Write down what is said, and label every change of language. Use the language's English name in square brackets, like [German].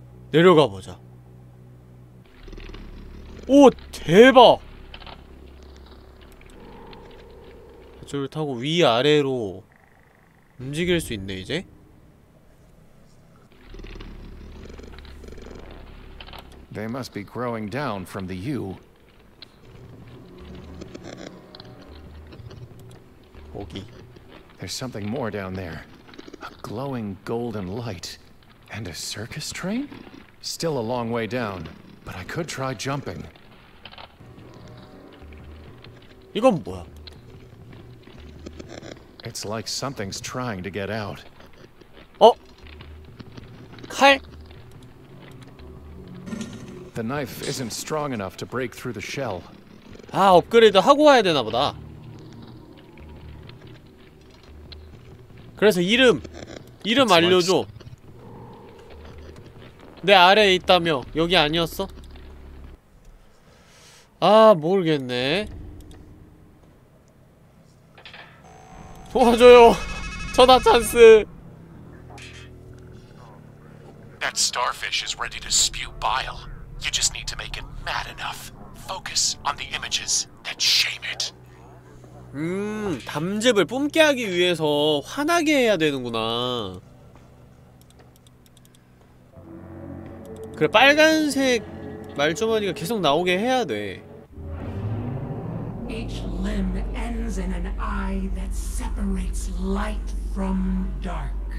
[Korean] 내려가 보자. 오 대박. 배줄 타고 위아래로 움직일 수 있네 이제. [English] They must be growing down from the U. [Korean] 거기. [English] There's something more down there. A glowing golden light and a circus train? Still a long way down, but I could try jumping. [Korean] 이건 뭐야? [English] It's like something's trying to get out. [Korean] 어? 칼? [English] The knife isn't strong enough to break through the shell. [Korean] 아, 업그레이드 하고 와야 되나 보다. 그래서 이름! 이름 알려줘! 내 아래에 있다며! 여기 아니었어? 아, 모르겠네. 도와줘요! 전화 찬스! [English] That starfish is ready to spew bile. You just need to make it mad enough. Focus on the images that shame it. [Korean] 담즙을 뿜게 하기 위해서 화나게 해야 되는구나. 그래, 빨간색 말주머니가 계속 나오게 해야 돼. [English] Each limb ends in an eye that separates light from dark.